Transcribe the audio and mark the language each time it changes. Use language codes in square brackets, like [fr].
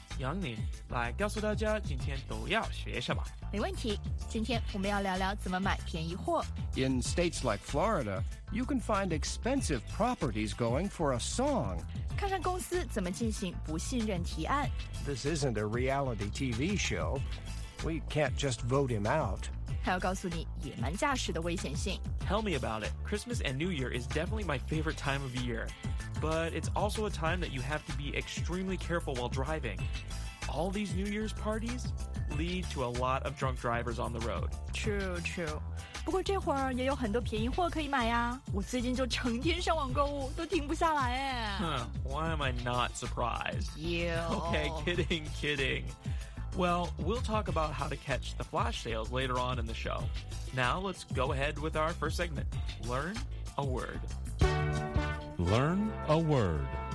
[zh] 杨林，来告诉大家今天都要学什么。没问题，今天我们要聊聊怎么买便宜货。 [en] In states like Florida, you can find expensive properties going for a song. [zh] 看看公司怎么进行不信任提案。 [en] This isn't a reality TV show. We can't just vote him out. [zh] 还要告诉你野蛮驾驶的危险性。 [en] Tell me about it. Christmas and New Year is definitely my favorite time of year. But it's also a time that you have to be extremely careful while driving. All these New Year's parties lead to a lot of drunk drivers on the road. True, true. [zh] 不过这会儿也有很多便宜货可以买呀。我最近就成天上网购物，都停不下来哎。 [en] Why am I not surprised? You. Okay, kidding, kidding. Well, we'll talk about how to catch the flash sales later on in the show. Now, let's go ahead with our first segment. Learn a word. Learn a word.